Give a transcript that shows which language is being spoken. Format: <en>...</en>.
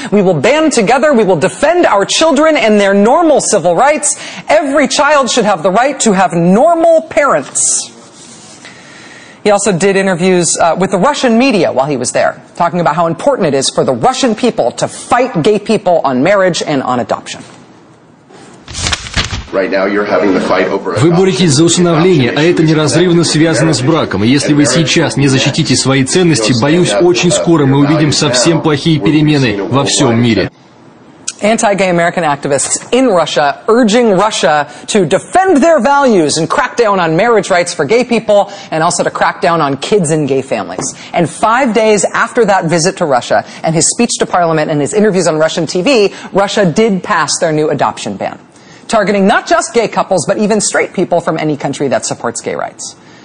<en>We will band together. We will defend our children and their normal civil rights. Every child should have the right to have normal parents. He also did interviews with the Russian media while he was there, talking about how important it is for the Russian people to fight gay people on marriage and on adoption.</en> <ru>Вы боретесь за усыновление, а это неразрывно связано с браком. Если вы сейчас не защитите свои ценности, боюсь, очень скоро мы увидим совсем плохие перемены во всем мире.</ru> <en>Anti-gay American activists in Russia urging Russia to defend their values and crack down on marriage rights for gay people and also to crack down on kids in gay families. And 5 days after that visit to Russia and his speech to parliament and his interviews on Russian TV, Russia did pass their new adoption ban, targeting not just gay couples, but even straight people from any country that supports gay rights.</en>